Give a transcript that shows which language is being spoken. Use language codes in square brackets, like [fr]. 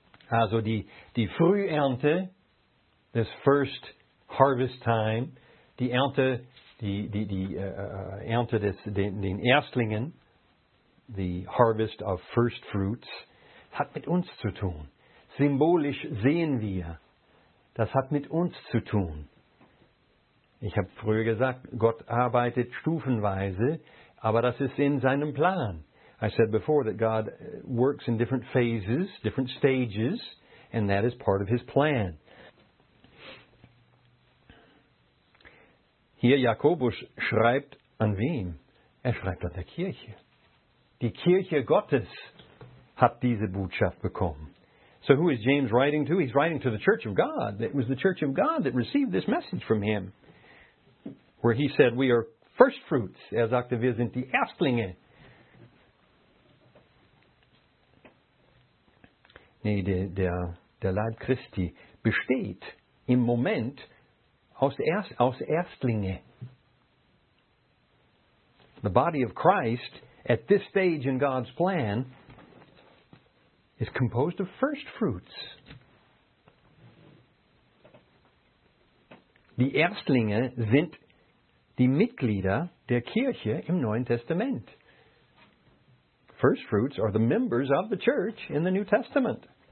[de] Also die Frühernte, [en] this first harvest time, [de] die Ernte den Erstlingen, [en] the harvest of first fruits, [de] hat mit uns zu tun. Symbolisch sehen wir, das hat mit uns zu tun. Ich habe früher gesagt, Gott arbeitet stufenweise, aber das ist in seinem Plan. [en] I said before that God works in different phases, different stages, and that is part of his plan. [de] Hier Jakobus schreibt an wen? Er schreibt an der Kirche. Die Kirche Gottes hat diese Botschaft bekommen. [en] So who is James writing to? He's writing to the Church of God. It was the Church of God that received this message from him, where he said, we are first fruits. [de] Er sagte, wir sind die Erstlinge. Nee, der Leib Christi besteht im Moment aus Erstlinge. [en] The body of Christ at this stage in God's plan is composed of first fruits. [de] Die Erstlinge sind die Mitglieder der Kirche im Neuen Testament. [en] First fruits are the members of the church in the New Testament.